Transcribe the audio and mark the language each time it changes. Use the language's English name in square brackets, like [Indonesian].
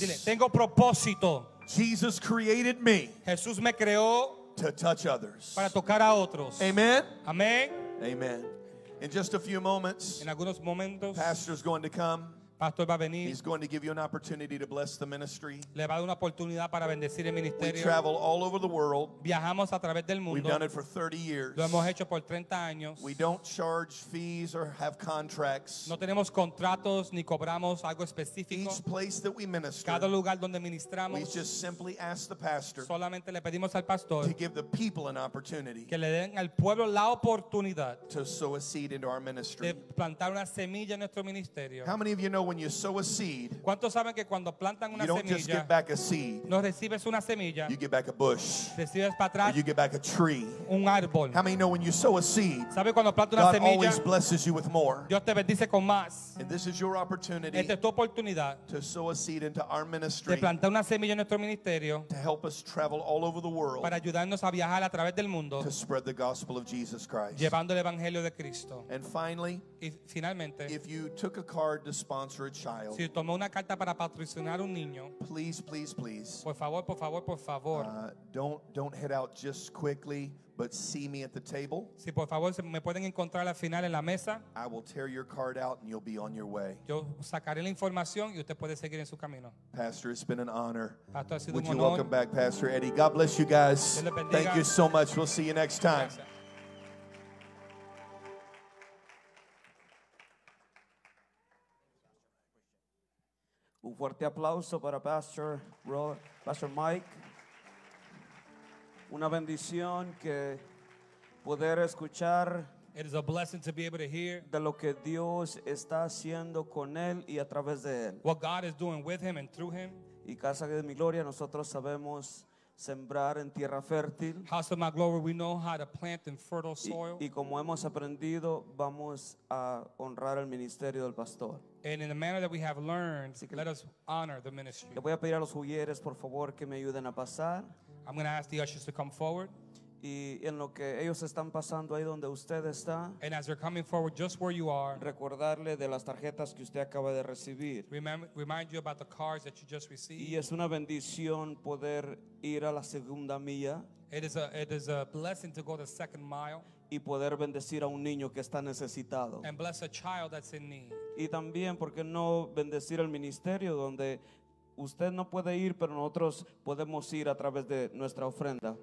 [Spanish] Dile, tengo propósito. [English] Jesus created me. [Spanish] Jesús me creó. [English] To touch others. [Spanish] Para tocar a otros. [English] Amen. [Spanish] Amen. [English] Amen. In just a few moments, [Spanish] en algunos momentos, [English] pastor's going to come. [Spanish] Pastor va a venir. [English] He's going to give you an opportunity to bless the ministry. [Spanish] Le va a dar una oportunidad para bendecir el ministerio. [English] We travel all over the world. [Spanish] Viajamos a través del mundo. [English] We've done it for 30 years. [Spanish] Lo hemos hecho por 30 años. [English] We don't charge fees or have contracts. [Spanish] No tenemos contratos ni cobramos algo específico. [English] Each place that we minister, [Spanish] cada lugar donde ministramos, [English] we just simply ask the pastor, [Spanish] solamente le pedimos al pastor [English] to give the people an opportunity, [Spanish] que le den al pueblo la oportunidad, [English] to sow a seed into our ministry, [Spanish] de plantar una semilla en nuestro ministerio. [English] How many of you know when you sow a seed, [Spanish] ¿cuántos saben que cuando plantan una [English] you don't [Spanish] semilla, [English] just get back a seed? [Spanish] No recibes una semilla, [English] you get back a bush. [Spanish] Recibes para atrás, [English] or you get back a tree. [Spanish] Un árbol. [English] How many know when you sow a seed, [Spanish] ¿sabe cuando plantan [English] God [Spanish] una semilla, [English] always blesses you with more? [Spanish] Dios te bendice con más. [English] And this is your opportunity, [Spanish] esta es tu oportunidad, [English] to sow a seed into our ministry, [Spanish] de plantar una semilla en nuestro ministerio, [English] to help us travel all over the world, [Spanish] para ayudarnos a viajar a través del mundo, [English] to spread the gospel of Jesus Christ, [Spanish] llevando el evangelio de Cristo. [English] And finally, [Spanish] finalmente, [English] if you took a card to sponsor a child, [Spanish] si tomó una carta para patrocinar un niño, [English] please, [Spanish] por favor, por favor, por favor, [English] don't head out just quickly, but see me at the table. [Spanish] Si por favor me pueden encontrar al final en la mesa, [English] I will tear your card out and you'll be on your way. [Spanish] Yo sacaré la información y usted puede seguir en su camino. [English] Pastor, it's been an honor. [Spanish] Pastor, [English] would you honor. Welcome back Pastor Eddie. God bless you guys. Thank you so much. We'll see you next time. [Spanish] Gracias. Un fuerte aplauso para Pastor Mike. Una bendición que poder escuchar. [English] It is a blessing to be able to hear. [Spanish] De lo que Dios está haciendo con él y a través de él. [English] What God is doing with him and through him. [Spanish] Y casa de mi gloria, nosotros sabemos sembrar en tierra fértil. [English] House of my glory, we know how to plant in fertile soil. [Spanish] Y como hemos aprendido, vamos a honrar el ministerio del pastor. [English] And in the manner that we have learned, let us honor the ministry. [Spanish] Le voy a pedir a los ujieres, por favor, que me ayuden a pasar. [English] I'm going to ask the ushers to come forward. [Spanish] Y en lo que ellos están pasando ahí donde usted está. [English] And as they're coming forward, just where you are. [Spanish] Recordarle de las tarjetas que usted acaba de recibir. [English] Remind you about the cards that you just received. [Spanish] Y es una bendición poder ir a la segunda milla. [English] It is a blessing to go the second mile. [Spanish] Y poder bendecir a un niño que está necesitado. [English] And bless a child that's in need. [Spanish] Y también, ¿por qué no bendecir el ministerio donde usted no puede ir, pero nosotros podemos ir a través de nuestra ofrenda?